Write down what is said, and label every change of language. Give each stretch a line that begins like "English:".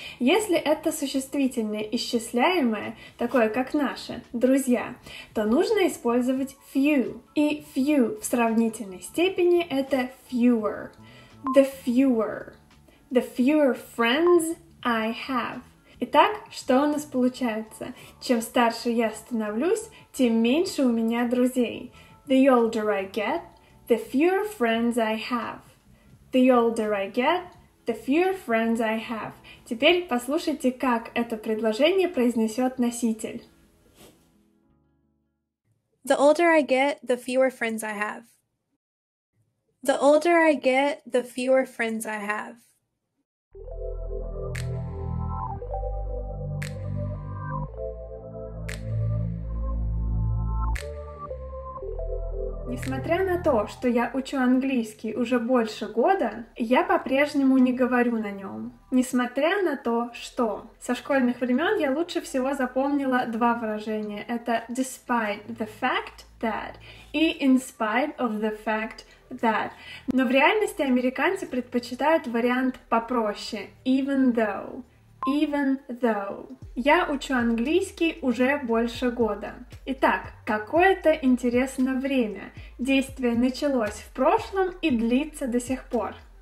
Russian: Если это существительное исчисляемое, такое как наше, «друзья», то нужно использовать «few». И «few» в сравнительной степени — это «fewer».
English: The fewer. The fewer friends I have.
Russian: Итак, что у нас получается? Чем старше я становлюсь, тем меньше у меня друзей.
English: The older I get, the fewer friends I have. The older I get, the fewer friends I have.
Russian: Теперь послушайте, как это предложение произнесет носитель.
English: The older I get, the fewer friends I have. The older I get, the fewer friends I have.
Russian: Несмотря на то, что я учу английский уже больше года, я по-прежнему не говорю на нем. Несмотря на то, что. Со школьных времен я лучше всего запомнила два выражения.
English: Это despite the fact that и in spite of the fact that.
Russian: Но в реальности американцы предпочитают вариант попроще.
English: Even though. Even though.
Russian: Я учу английский уже больше года. Итак, какое-то интересное время. Действие началось в прошлом и длится до сих пор.